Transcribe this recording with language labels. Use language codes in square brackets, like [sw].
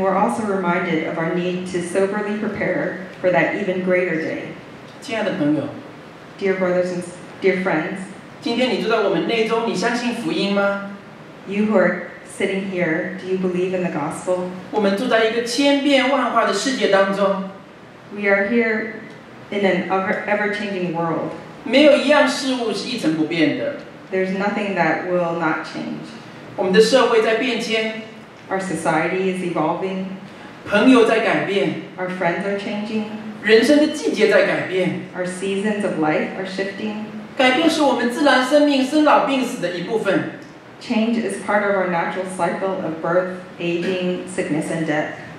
[en] we're also reminded of our need to soberly prepare for that even greater day. [zh] 亲爱的朋友, [en] dear brothers and dear friends, [zh] 今天你住在我们内中，你相信福音吗？ [en] You who are sitting here, do you believe in the gospel? [zh] 我们住在一个千变万化的世界当中。 [en] We are here in an ever-changing world. [zh] 没有一样事物是一成不变的。 [en] There's nothing that will not change. [zh] 我们的社会在变迁。 [en] Our society is evolving. [zh] 朋友在改变。 [en] Our friends are changing. [zh] 人生的季节在改变。 [en] Our seasons of life are shifting. [zh] 改变是我们自然生命生老病死的一部分。 [en] Change is part of our natural cycle of birth, aging, sickness, and death.